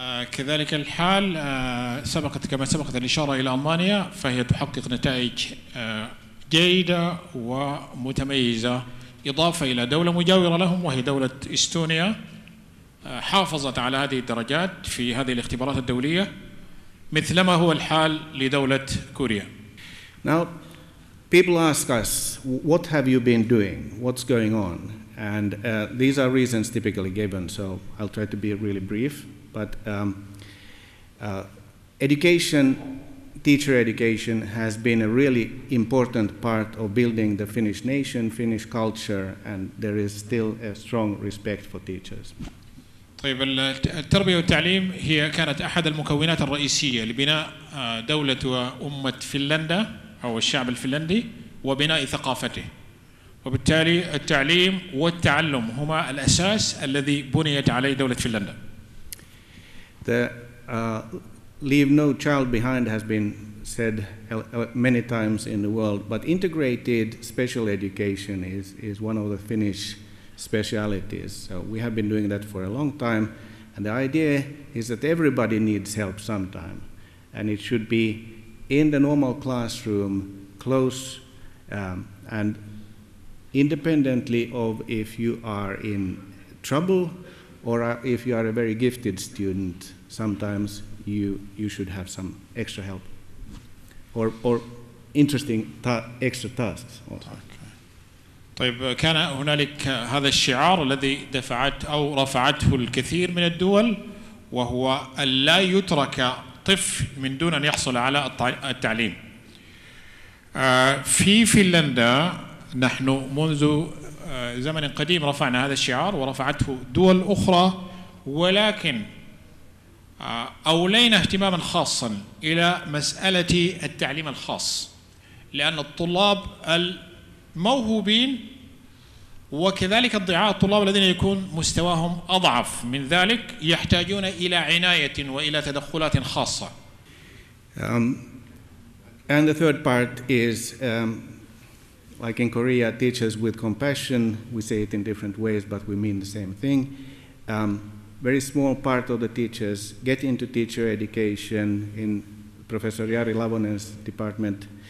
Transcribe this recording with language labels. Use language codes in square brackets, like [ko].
[ar] كذلك الحال سبقت كما سبقت الإشارة إلى ألمانيا فهي تحقق نتائج جيدة ومتميزة إضافة إلى دولة مجاورة لهم وهي دولة إستونيا حافظت على هذه الدرجات في هذه الاختبارات الدولية مثلما هو الحال لدولة كوريا. [en] Now, people ask us, what have you been doing? What's going on? And these are reasons typically given, so I'll try to be really brief. But education, teacher education, has been a really important part of building the Finnish nation, Finnish culture, and there is still a strong respect for teachers. [ar] طيب التربية والتعليم هي كانت أحد المكونات الرئيسية لبناء دولة وأمة فنلندا أو الشعب الفنلندي وبناء ثقافته. وبالتالي التعليم والتعلم هما الأساس الذي بنيت عليه دولة فنلندا. [en] The leave no child behind has been said many times in the world, but integrated special education is one of the Finnish specialities. So we have been doing that for a long time, and the idea is that everybody needs help sometime, and it should be in the normal classroom, close, and independently of if you are in trouble or if you are a very gifted student. Sometimes you should have some extra help or interesting extra tasks. [ar] طيب كان هنالك هذا الشعار الذي دفعت او رفعته الكثير من الدول وهو الا يترك طفل من دون ان يحصل على التعليم. في فنلندا نحن منذ زمن قديم رفعنا هذا الشعار ورفعته دول اخرى ولكن أولينا اهتماما خاصا إلى مسألة التعليم الخاص لأن الطلاب الموهوبين وكذلك الضعاف الطلاب الذين يكون مستواهم أضعف من ذلك يحتاجون إلى عناية وإلى تدخلات خاصة. [en] And the third part is like in Korea, teachers with compassion. We say it in different ways, but we mean the same thing. Very small part of the teachers get into teacher education in Professor Jari Lavonen's department.